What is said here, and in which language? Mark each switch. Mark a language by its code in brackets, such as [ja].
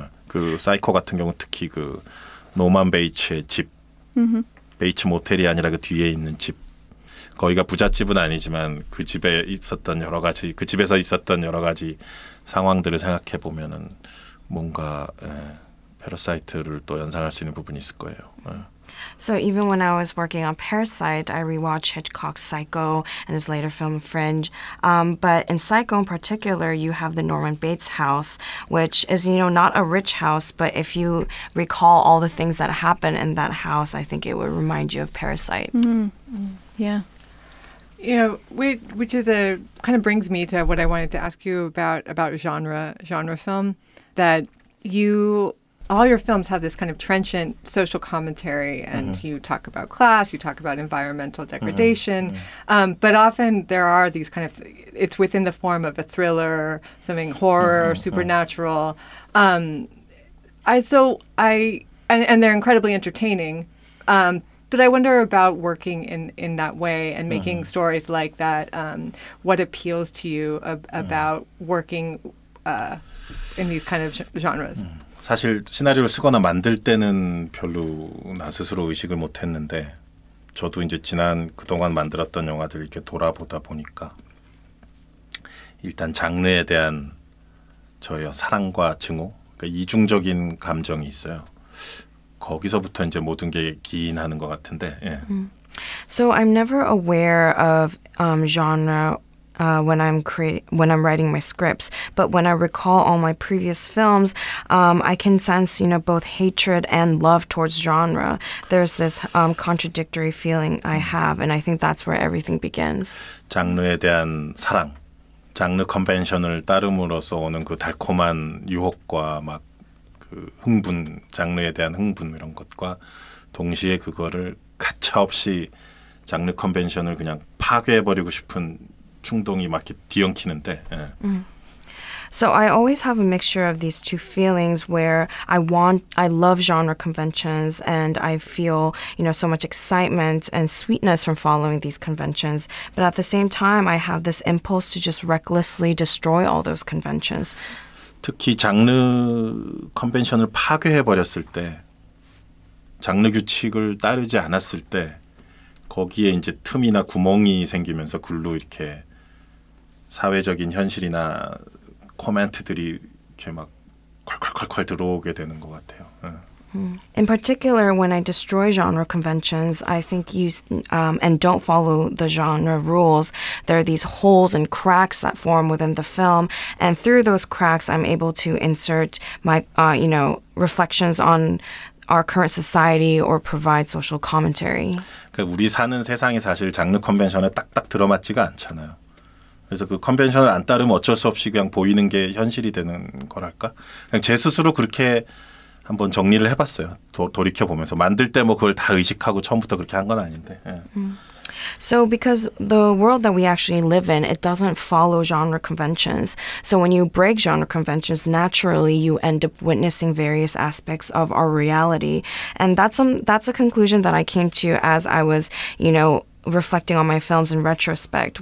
[ko] 그 사이코 같은 경우 특히 그 노만 베이츠의 집, 베이츠 모텔이 아니라 그 뒤에 있는 집 거기가 부잣집은 아니지만 그 집에 있었던 여러 가지 그 집에서 있었던 여러 가지 상황들을 생각해 보면은 뭔가 패러사이트를 또 연상할 수 있는 부분이 있을 거예요. [en] So even when I was working on Parasite, I rewatched Hitchcock's Psycho and his later film Fringe. But in Psycho in particular, you have the Norman Bates house, which is, you know, not a rich house. But if you recall all the things that happen in that house, I think it would remind you of Parasite. Mm-hmm. Mm-hmm. Yeah. You know, which is a kind of brings me to what I wanted to ask you about genre film, that you... All your films have this kind of trenchant social commentary, and mm-hmm. you talk about class, you talk about environmental degradation, mm-hmm. But often there are these kind of, it's within the form of a thriller, something horror, mm-hmm. supernatural. Mm-hmm. And they're incredibly entertaining, but I wonder about working in that way and making mm-hmm. stories like that, what appeals to you about mm-hmm. working in these kind of genres? Mm-hmm. [ko] 사실 시나리오를 쓰거나 만들 때는 별로 나 스스로 의식을 못했는데 저도 이제 지난 그동안 만들었던 영화들 이렇게 돌아보다 보니까 일단 장르에 대한 저의 사랑과 증오, 그러니까 이중적인 감정이 있어요. 거기서부터 이제 모든 게 기인하는 것 같은데. 예. [en] So I'm never aware of genre. When I'm writing my scripts, but when I recall all my previous films, I can sense, you know, both hatred and love towards genre. There's this contradictory feeling I have, and I think that's where everything begins. [ko] 장르에 대한 사랑, 장르 컨벤션을 따름으로써 오는 그 달콤한 유혹과 막 그 흥분, 장르에 대한 흥분 이런 것과 동시에 그거를 가차 없이 장르 컨벤션을 그냥 파괴해버리고 싶은 충동이 막 뒤엉키는데. 예. [en] So I always have a mixture of these two feelings where I love genre conventions and I feel, you know, so much excitement and sweetness from following these conventions. But at the same time, I have this impulse to just recklessly destroy all those conventions. [ko] 특히 장르 컨벤션을 파괴해버렸을 때, 장르 규칙을 따르지 않았을 때, 거기에 이제 틈이나 구멍이 생기면서 글로 이렇게 사회적인 현실이나 코멘트들이 이렇게 막 콸콸콸콸 들어오게 되는 것 같아요. [en] In particular, when I destroy genre conventions, I think you and don't follow the genre rules. There are these holes and cracks that form within the film, and through those cracks, I'm able to insert my reflections on our current society or provide social commentary. [ko] 그러니까 우리 사는 세상이 사실 장르 컨벤션에 딱딱 들어맞지가 않잖아요. 그래서 그 컨벤션을 안 따르면 어쩔 수 없이 그냥 보이는 게 현실이 되는 거랄까? 그냥 제 스스로 그렇게 한번 정리를 해봤어요. 돌이켜보면서. 만들 때 뭐 그걸 다 의식하고 처음부터 그렇게 한 건 아닌데. 예. [en] So because the world that we actually live in, it doesn't follow genre conventions. So when you break genre conventions, naturally you end up witnessing various aspects of our reality. And that's a conclusion that I came to as I was, you know, reflecting on my films in retrospect.